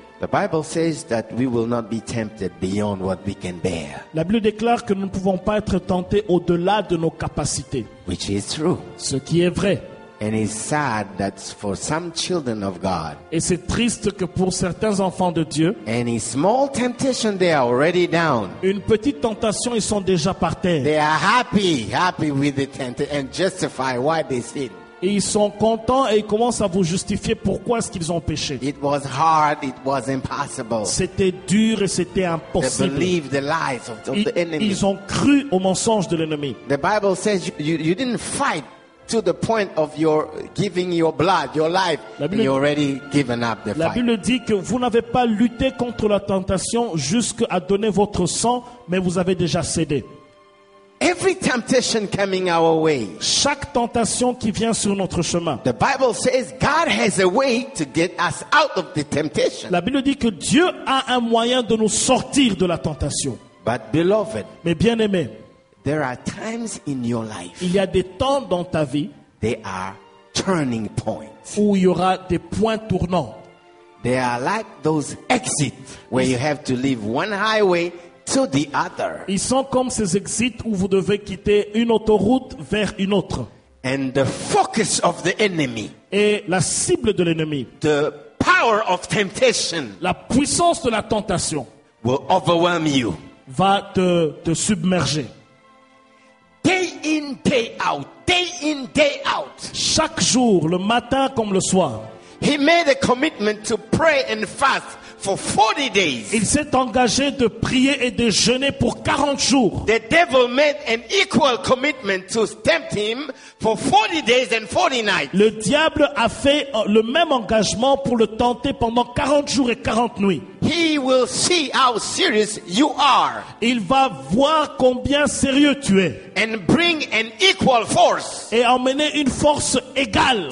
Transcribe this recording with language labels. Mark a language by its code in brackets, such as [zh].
[en] the Bible says that we will not be tempted beyond what we can bear. [fr] La Bible déclare que nous ne pouvons pas être tentés au-delà de nos capacités. [en] Which is true. [fr] Ce qui est vrai. [en] And it's sad that for some children of God. [fr] Et c'est triste que pour certains enfants de Dieu. [en] Any small temptation, they are already down. [fr] Une petite tentation, ils sont déjà par terre. [en] They are happy with the temptation and justify why they sin. [fr] Et ils sont contents et ils commencent à vous justifier pourquoi est-ce qu'ils ont péché. [en] It was hard, it was impossible. [fr] C'était dur et c'était impossible. [en] They believed the lies of the enemy. [fr] Ils ont cru aux mensonges de l'ennemi. [en] The Bible says you didn't fight to the point of your giving your blood, your life, [fr] Bible, [en] and you already given up the fight. [fr] La Bible dit que vous n'avez pas lutté contre la tentation jusqu'à donner votre sang, mais vous avez déjà cédé. [en] Every temptation coming our way. [fr] Chaque tentation qui vient sur notre chemin. [en] The Bible says God has a way to get us out of the temptation. [fr] La Bible dit que Dieu a un moyen de nous sortir de la tentation. [en] But beloved, [fr] mais bien-aimé, [en] there are times in your life. [fr] Il y a des temps dans ta vie. [en] They are turning points. [fr] Où il y aura des points tournants. [en] They are like those exits where you have to leave one highway to the other. [fr] Ils sont comme ces exits où vous devez quitter une autoroute vers une autre. [en] And the focus of the enemy. [fr] Et la cible de l'ennemi. [en] The power of temptation. [fr] La puissance de la tentation. [en] Will overwhelm you. [fr] Va te submerger. [en] Day in, day out. Day in, day out. [fr] Chaque jour, le matin comme le soir. [en] He made a commitment to pray and fast for 40 days. [fr] Il s'est engagé de prier et de jeûner pour 40 jours. [en] The devil made an equal commitment to tempt him for 40 days and 40 nights. [fr] Le diable a fait le même engagement pour le tenter pendant 40 jours et 40 nuits. [en] He will see how serious you are. [fr] Il va voir combien sérieux tu es. [en] And bring an equal force. [fr] Et emmener une force égale.